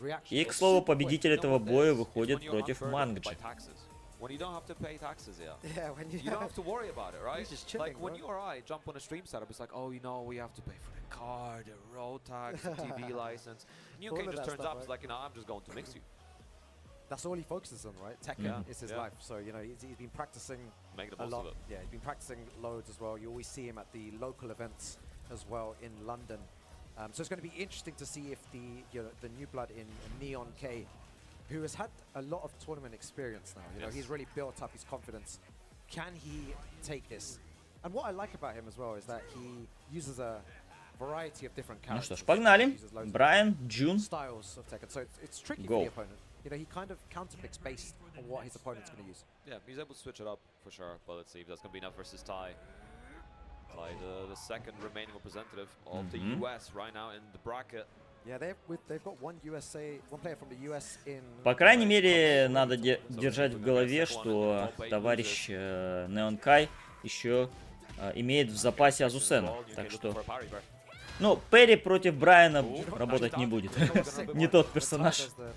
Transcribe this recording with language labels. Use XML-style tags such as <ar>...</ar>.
<ru>И к слову, победитель этого боя выходит против Мангджи.</ru> <en>When you don't have to pay taxes, yeah. Yeah, when you don't have to worry about it, right? He's just chilling, like when you or I jump on a stream setup, it's like, oh, you know, we have to pay for the car, the road tax, the TV license. And UK just turns stuff, up, right? It's like, you know, I'm just going to mix you. That's all he focuses on, right? Tekken is his life. So, you know, he's been practicing make the most a lot. Of it. Yeah, he's been practicing loads as well. You always see him at the local events as well in London. So it's going to be interesting to see if the, you know, the new blood in Neon K who has had a lot of tournament experience now, you know, he's really built up his confidence. Can he take this? And what I like about him as well is that he uses a variety of different characters.</en> <ru>Ну что ж, погнали.</ru> <en>Брайан, Джун. Styles of Tekken. So it's tricky for the opponent. You know, he kind of counterpicks based on what his opponent's going to use. Yeah, he's able to switch it up for sure. But let's see if that's going to be enough versus Ty. Ty, the second remaining representative of the US right now in the bracket. Yeah, they've got one USA, one player from the US in.</en> <ru>По крайней мере, надо держать в голове, что товарищ Neon Kai еще имеет в запасе Азусену, так что. Ну, Перри против Брайана работать не будет. Не тот персонаж.</ru>